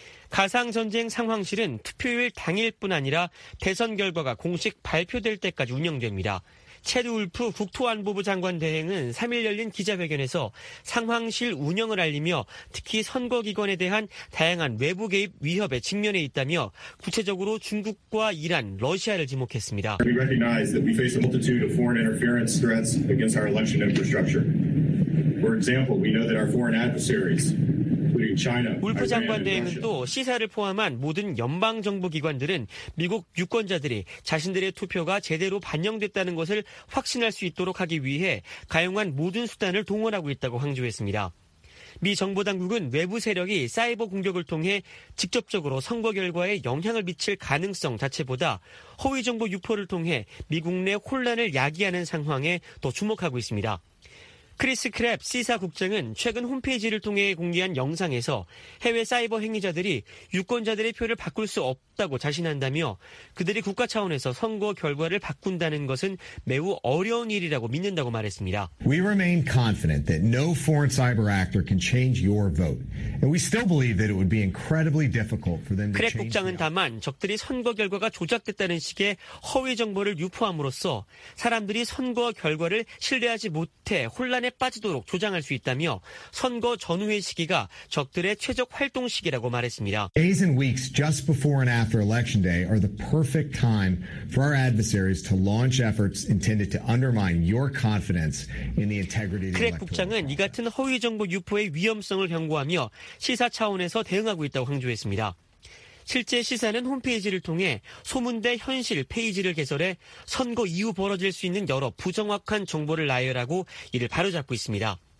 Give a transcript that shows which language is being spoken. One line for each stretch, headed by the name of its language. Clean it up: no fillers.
Korean: 가상전쟁 상황실은 투표일 당일뿐 아니라 대선 결과가 공식 발표될 때까지 운영됩니다. 채드 울프 국토안보부 장관 대행은 3일 열린 기자회견에서 상황실 운영을 알리며 특히 선거기관에 대한 다양한 외부 개입 위협에 직면해 있다며 구체적으로 중국과 이란, 러시아를 지목했습니다.
English: We recognize that we face a multitude of foreign interference threats against our election infrastructure. For example, we know that our foreign adversaries
Korean: 울프 장관 대행은 또 시사를 포함한 모든 연방정부기관들은 미국 유권자들이 자신들의 투표가 제대로 반영됐다는 것을 확신할 수 있도록 하기 위해 가용한 모든 수단을 동원하고 있다고 강조했습니다. 미 정보당국은 외부 세력이 사이버 공격을 통해 직접적으로 선거 결과에 영향을 미칠 가능성 자체보다 허위 정보 유포를 통해 미국 내 혼란을 야기하는 상황에 더 주목하고 있습니다. 크리스 크랩 시사 국장은 최근 홈페이지를 통해 공개한 영상에서 해외 사이버 행위자들이 유권자들의 표를 바꿀 수 없다고 자신한다며 그들이 국가 차원에서 선거 결과를 바꾼다는 것은 매우 어려운 일이라고 믿는다고 말했습니다.
English: We remain confident that no foreign cyber actor can change your vote. And we still believe that it would be incredibly difficult for them to change.
Korean: 크랩 국장은 다만 적들이 선거 결과가 조작됐다는 식의 허위 정보를 유포함으로써 사람들이 선거 결과를 신뢰하지 못해 혼란에 빠지도록 조장할 수 있다며 선거 전후의 시기가 적들의 최적 활동 시기라고 말했습니다.
English: Days and weeks just before and after election day are the perfect time for our adversaries to launch efforts intended to undermine your confidence in the integrity of the
Korean: 크랩 국장은 이 같은 허위 정보 유포의 위험성을 경고하며 시사 차원에서 대응하고 있다고 강조했습니다. 실제 시사는 홈페이지를 통해 소문 대 현실 페이지를 개설해 선거 이후 벌어질 수 있는 여러 부정확한 정보를 나열하고 이를 바로잡고 있습니다.